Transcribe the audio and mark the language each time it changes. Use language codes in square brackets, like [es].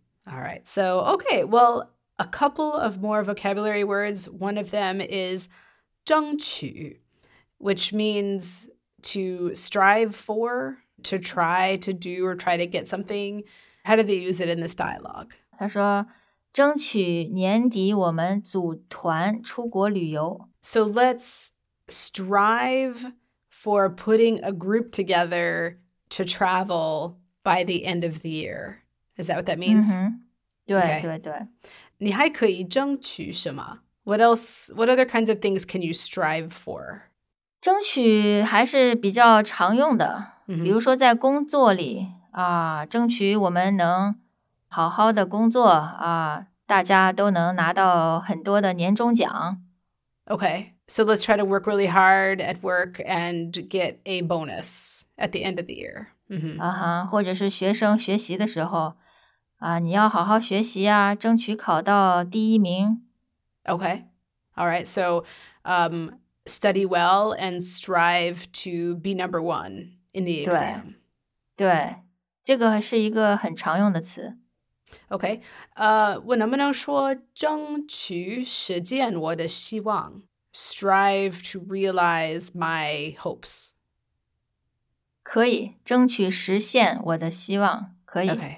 [en] All right. So, okay. Well, a couple of more vocabulary words. One of them is 争取, which means to strive for, to try to do or try to get something. How do they use it in this dialogue? [zh] 他说争取年底我们组团出国旅游。 [en] So let's... strive for putting a group together to travel by the end of the year. Is that what that means? [zh] Mm-hmm. 对、okay. 对对。你还可以争取什么? [en] What else, what other kinds of things can you strive for? [zh] 争取还是比较常用的。 Mm-hmm. 比如说在工作里、啊、争取我们能好好的工作、啊、大家都能拿到很多的年终奖。 [en] Okay, so let's try to work really hard at work and get a bonus at the end of the year. [zh] Uh-huh, 或者是学生学习的时候、你要好好学习啊，争取考到第一名。 [en] Okay, all right, so study well and strive to be number one in the exam. [zh] 对, 对这个是一个很常用的词。 Okay, 我能不能说争取实践我的希望 [en] strive to realize my hopes. [zh] 可以争取实现我的希望可以。